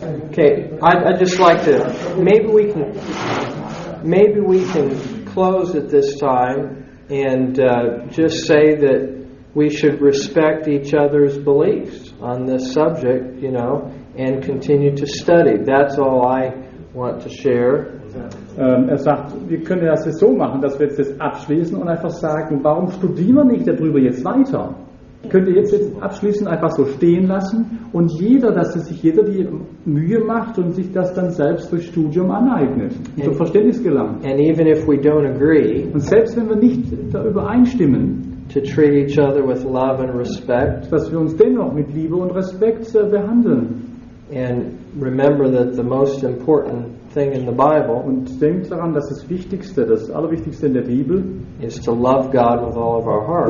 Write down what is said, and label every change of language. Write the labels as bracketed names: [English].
[English] Okay, I'd just like to, maybe we can close at this time and just say that we should respect each other's beliefs on this subject, you know, and continue to study. That's all I want to share. [German] Er sagt, wir können das jetzt so machen, dass wir jetzt das abschließen und einfach sagen, warum studieren wir nicht darüber jetzt weiter? Könnt ihr jetzt abschließen, einfach so stehen lassen und jeder, dass es sich jeder die Mühe macht und sich das dann selbst durch Studium aneignet, zum Verständnis gelangt. [English] And even if we don't agree, [German] und selbst wenn wir nicht da übereinstimmen, [English] to treat each other with love and respect, [German] dass wir uns dennoch mit Liebe und Respekt behandeln. [English] And remember that the most important thing in the Bible, [German] und denkt daran, dass das Wichtigste, das Allerwichtigste in der Bibel, [English] is to love God with all of our hearts,